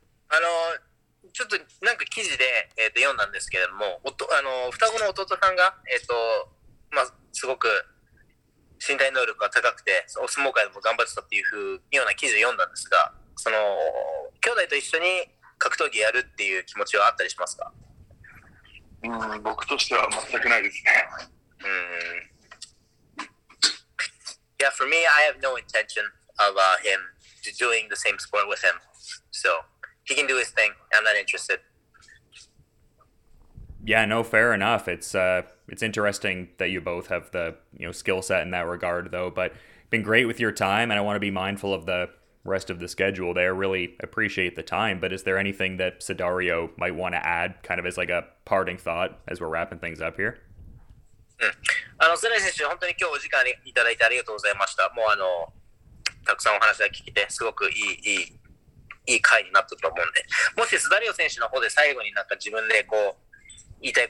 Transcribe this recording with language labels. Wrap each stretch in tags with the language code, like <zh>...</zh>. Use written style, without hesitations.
<ja>あの、ちょっとなんか記事で、読んだんですけれども、あの、双子の弟さんが、まあ、すごく身体能力が高くて、お相撲界でも頑張ってたっていうふうような記事を読んだんですが、その兄弟と一緒に格闘技やるっていう気持ちはあったりしますか？うん、僕としては全くないですね。</ja> <en>Yeah, for me, I have no intention of him doing the same sport with him. So he can do his thing. I'm not interested. Yeah, no, fair enough. It's interesting that you both have the, you know, skill set in that regard, though. But been great with your time, and I want to be mindful of the rest of the schedule there. Really appreciate the time. But is there anything that Sudario might want to add, kind of as like a parting thought as we're wrapping things up here?</en> <ja>あの、スダリオ選手、本当に今日お時間いただいてありがとうございました。もうあの、たくさんお話が聞けてすごくいい会になったと思うんで、もしスダリオ選手の方で最後になんか自分でこう</ja>